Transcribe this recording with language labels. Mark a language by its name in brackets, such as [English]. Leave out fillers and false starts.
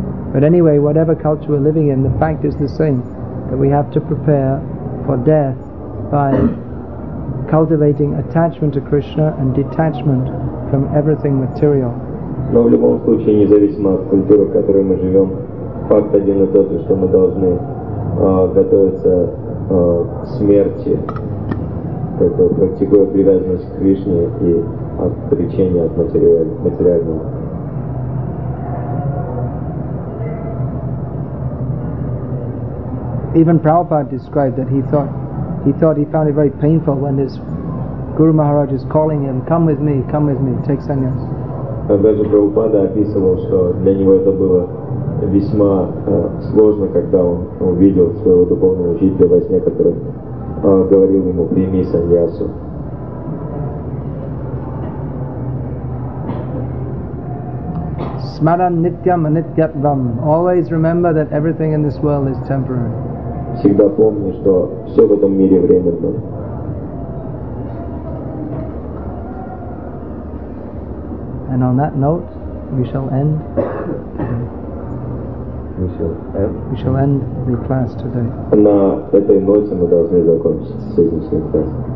[English] But anyway, whatever culture we're living in, the fact is the same, that we have to prepare for death by cultivating attachment to Krishna and detachment from everything material. [Russian] Но в любом случае, независимо от культуры, в которой мы живем, факт один и тот же, что мы должны готовиться к смерти, как бы практикуя привязанность к Кришне и отречение от материального. [English] Even Prabhupada described that he thought he found it very painful when his Guru Maharaj is calling him, come with me, take sannyas. [Russian] Даже Прабхупада описывал, что для него это было весьма сложно, когда он увидел своего духовного учителя во сне, который говорил ему, прими саньясу. [Sanskrit] Smaran nityam anityatvam. [English] Always remember that everything in this world is temporary. [Russian] Всегда помни, что все в этом мире временно. [English] And on that note, we shall end today. We shall end the class today. [Russian] На этой ноте мы должны закончить сегодняшний класс.